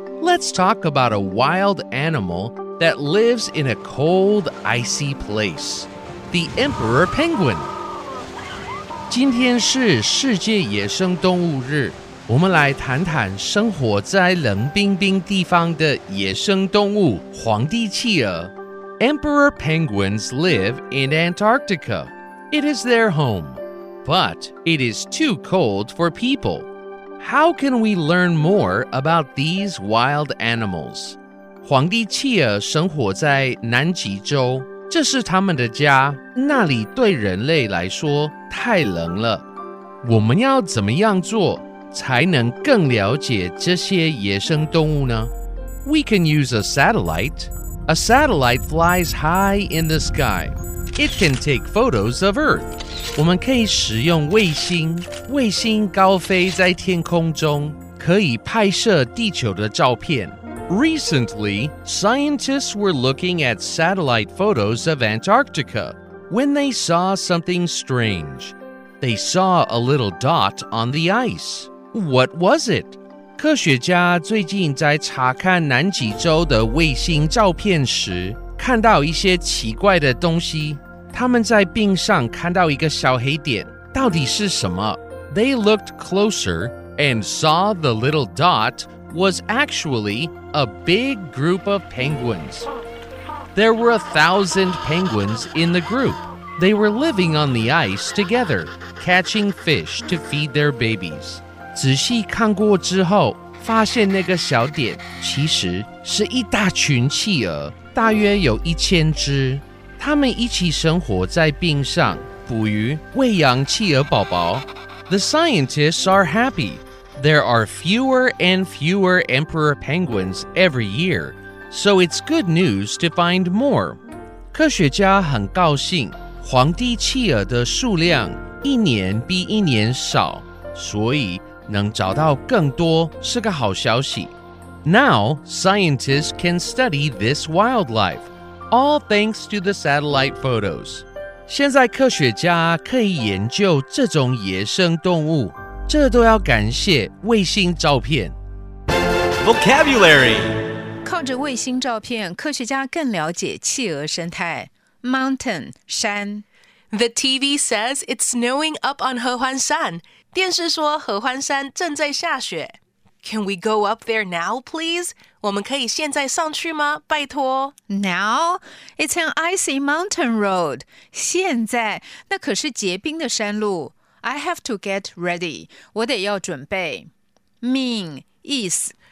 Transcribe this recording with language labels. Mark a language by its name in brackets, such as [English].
[English] Let's talk about a wild animal that lives in a cold, icy place. The Emperor Penguin. [Chinese] 今天是世界野生动物日，我们来谈谈生活在冷冰冰地方的野生动物皇帝企鹅。 [English] Emperor penguins live in Antarctica. It is their home, but it is too cold for people. How can we learn more about these wild animals? [Chinese] 皇帝企鹅生活在南极洲，这是他们的家，那里对人类来说太冷了。我们要怎么样做才能更了解这些野生动物呢？ [English] We can use a satellite. A satellite flies high in the sky. It can take photos of Earth. [Chinese] 我们可以使用卫星，卫星高飞在天空中，可以拍摄地球的照片。 [English] Recently, scientists were looking at satellite photos of Antarctica when they saw something strange. They saw a little dot on the ice. What was it? [Chinese] 科学家最近在查看南极洲的卫星照片时，看到一些奇怪的东西。他们在冰上看到一个小黑点，到底是什么？ [English] They looked closer and saw the little dot was actually a big group of penguins. There were 1,000 penguins in the group. They were living on the ice together, catching fish to feed their babies. [Chinese] 仔细看过之后，发现那个小点其实是一大群企鹅，大约有一千只。他们一起生活在冰上，捕鱼，喂养企鹅宝宝。 [English] The scientists are happy. There are fewer and fewer emperor penguins every year, so it's good news to find more. [Chinese] 科学家很高兴，皇帝企鹅的数量一年比一年少，所以能找到更多是个好消息。 [English] Now, scientists can study this wildlife. All thanks to the satellite photos. [Chinese] 现在科学家可以研究这种野生动物，这都要感谢卫星照片。 [English] Vocabulary. [Chinese] 靠着卫星照片，科学家更了解企鹅生态。 [English] Mountain, 山。 The TV says it's snowing up on Hehuanshan. [Chinese] 电视说合欢山正在下雪。 [English] Can we go up there now, please? [Chinese] 我们可以现在上去吗？拜托。 [English] Now? It's an icy mountain road. [Chinese] 现在，那可是结冰的山路。 [English] I have to get ready. [Chinese] 我得要准备。 [English] Mean, 意思。